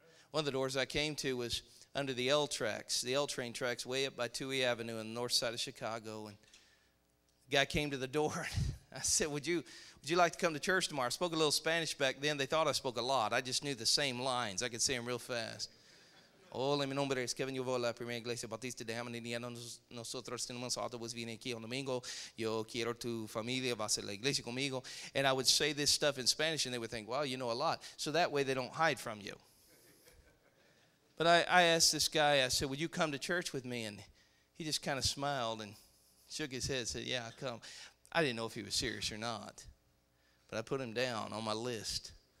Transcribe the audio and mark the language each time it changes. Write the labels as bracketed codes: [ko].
[en] One of the doors I came to was under the L tracks, the L train tracks, way up by Toohey Avenue on the north side of Chicago. And a guy came to the door and I said, Would you like to come to church tomorrow? I spoke a little Spanish back then. They thought I spoke a lot. I just knew the same lines. I could say them real fast. [es] Hola, mi nombre es Kevin. Yo voy a la primera iglesia Bautista de Hamanía. Nosotros tenemos autobús. Viene aquí un domingo. Yo quiero tu familia. Va a ser la iglesia conmigo. [en] And I would say this stuff in Spanish, and they would think, well, you know a lot. So that way they don't hide from you. But I asked this guy, I said, would you come to church with me? And he just kind of smiled and shook his head and said, yeah, I'll come. I didn't know if he was serious or not. But I put him down on my list.